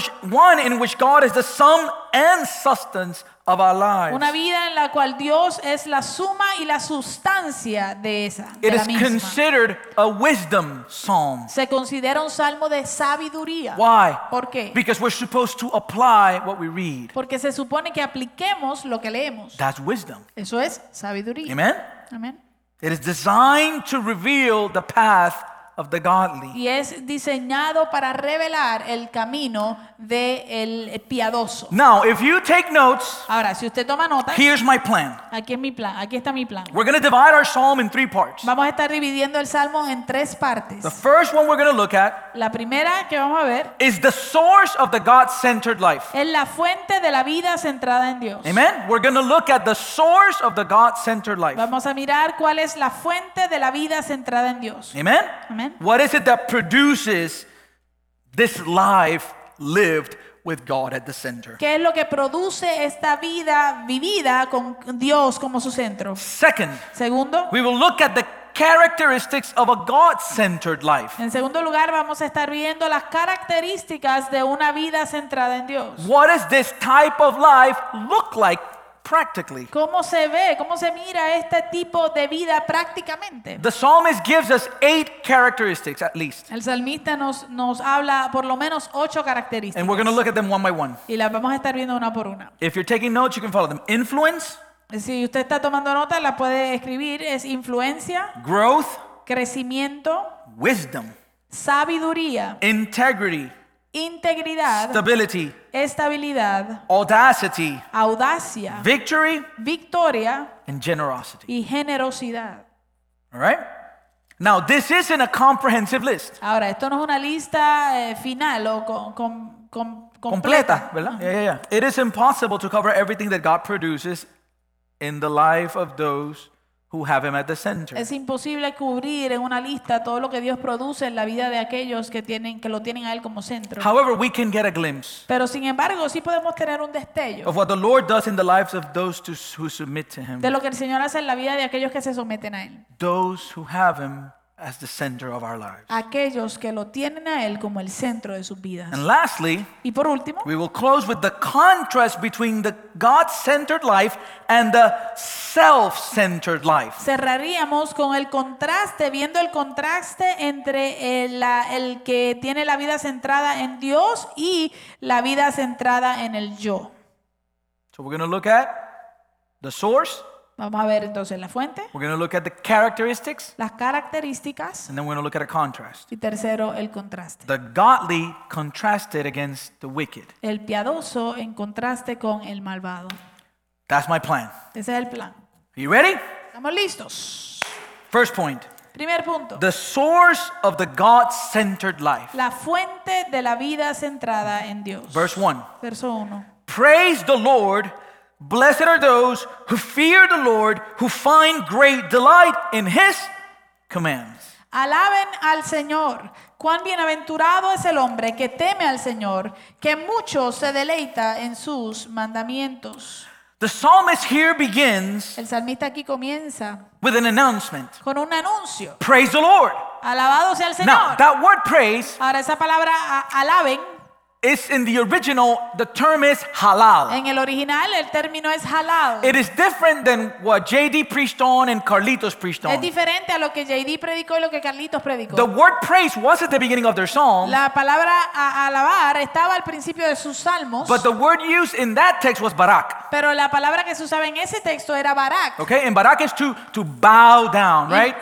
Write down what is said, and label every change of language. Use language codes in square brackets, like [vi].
[en] One in which God is the sum and substance of our lives. [es] Una vida en la cual Dios es la suma y la sustancia de esa. [en] It is considered a wisdom psalm. [es] Se considera un salmo de sabiduría. [en] Why? [es] ¿Por qué? [en] Because we're supposed to apply what we read. [es] Porque se supone que apliquemos lo que leemos. [en] That's wisdom. [es] Eso es sabiduría. Amen. Amen. [en] It is designed to reveal the path of the godly. [es] Y es diseñado para revelar el camino de el piadoso. [en] Now, if you take notes, [es] ahora, si usted toma notas, [en] here's my plan. [es] Aquí es mi plan. Aquí está mi plan. [en] We're going to divide our psalm in three parts. [es] Vamos a estar dividiendo el salmo en tres partes. [en] The first one we're going to look at, [es] la primera que vamos a ver, [en] is the source of the God-centered life. [es] Es la fuente de la vida centrada en Dios. Amen. [en] We're going to look at the source of the God-centered life. [es] Vamos a mirar cuál es la fuente de la vida centrada en Dios. Amen. [en] What is it that produces this life lived with God at the center? [es] ¿Qué es lo que produce esta vida vivida con Dios como su centro? [en] Second, [es] segundo, [en] we will look at the characteristics of a God-centered life. [es] En segundo lugar, vamos a estar viendo las características de una vida centrada en Dios. [en] What does this type of life look like? Practically. [es] ¿Cómo se ve? ¿Cómo se mira este tipo de vida prácticamente? [en] The psalmist gives us 8 characteristics at least. [es] El salmista nos habla por lo menos 8 características. [en] And we're going to look at them one by one. [es] Y las vamos a estar viendo una por una. [en] If you're taking notes, you can follow them. Influence. [es] Si usted está tomando notas, la puede escribir. Es influencia. [en] Growth. [es] Crecimiento. [en] Wisdom. [es] Sabiduría. [en] Integrity. [es] Integridad. [en] Stability. [es] Estabilidad. [en] Audacity. [es] Audacia. [en] Victory. [es] Victoria. [en] And generosity. [es] Y generosidad. [en] All right? Now, this isn't a comprehensive list. [es] Ahora, esto no es una lista final o completa. Completa, ¿verdad? Uh-huh. Yeah. [en] It is impossible to cover everything that God produces in the life of those who have him at the center. [es] Es imposible cubrir en una lista todo lo que Dios produce en la vida de aquellos que lo tienen a él como centro. [en] However, we can get a glimpse. [es] Pero sin embargo, sí podemos tener un destello. [en] Of what the Lord does in the lives of those who submit to him. [es] De lo que el Señor hace en la vida de aquellos que se someten a él. [en] Those who have him as the center of our lives. [es] Aquellos que lo tienen a él como el centro de sus vidas. [en] And lastly, [es] y por último, [en] we will close with the contrast between the God-centered life and the self-centered life. [es] Cerraríamos con el contraste, viendo el contraste entre el que tiene la vida centrada en Dios y la vida centrada en el yo. [en] So we're going to look at the source. [es] Vamos a ver entonces la fuente. [en] We're going to look at the characteristics. [es] Las características. [en] And then we're going to look at a contrast. [es] Y tercero, el contraste. [en] The godly contrasted against the wicked. [es] El piadoso en contraste con el malvado. [en] That's my plan. [es] Ese es el plan. [en] Are you ready? [es] Estamos listos. [en] First point. [es] Primer punto. [en] The source of the God-centered life. [es] La fuente de la vida centrada en Dios. [en] Verse 1. [es] Verso 1. [en] Praise the Lord. Blessed are those who fear the Lord, who find great delight in his commands. [es] Alaben al Señor. Cuán bienaventurado es el hombre que teme al Señor, que mucho se deleita en sus mandamientos. [en] The psalmist here begins. [es] El salmista aquí comienza. [en] With an announcement. [es] Con un anuncio. [en] Praise the Lord. [es] Alabado sea el Señor. [en] Now, that word praise. [es] Ahora esa palabra alaben. [en] It's in the original, the term is halal. [es] En el original, el término es halal. [en] It is different than what JD preached on and Carlitos preached on. [es] Es diferente a lo que JD predicó y lo que Carlitos predicó. [en] The word praise was at the beginning of their song. [es] La palabra alabar estaba al principio de sus salmos. [en] But the word used in that text was barak. [es] Pero la palabra que se usaba en ese texto era barak. [en] Okay, and barak is to bow down, right?